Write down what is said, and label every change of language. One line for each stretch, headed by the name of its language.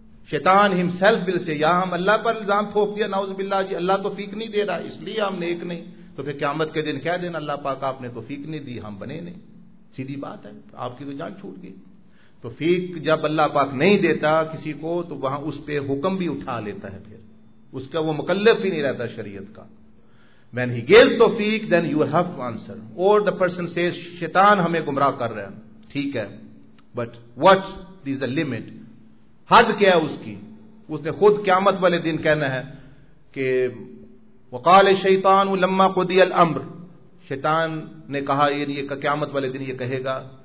Urdu: شیطان ہمسیلف بل سے, یا ہم اللہ پر الزام تھوپ دیا, نعوذ باللہ, جی اللہ توفیق نہیں دے رہا اس لیے ہم نیک نہیں, تو پھر قیامت کے دن کہہ دینا اللہ پاک آپ نے توفیق نہیں دی, ہم بنے نہیں. سیدھی بات ہے, آپ کی تو جان چھوٹ گئی. توفیق جب اللہ پاک نہیں دیتا کسی کو, تو وہاں اس پہ حکم بھی اٹھا لیتا ہے, پھر اس کا وہ مکلف ہی نہیں رہتا شریعت کا.
English: When he gave tawfiq, then you have to answer. Or the person says,
Urdu: شیطان ہمیں گمراہ کر رہے ہیں, ٹھیک ہے,
English: but what is the limit,
Urdu: حد کیا ہے اس کی. اس نے خود قیامت والے دن کہنا ہے کہ
Arabic: وقال الشیطان لما قضی الامر,
Urdu: شیطان نے کہا, یعنی یہ قیامت والے دن یہ کہے گا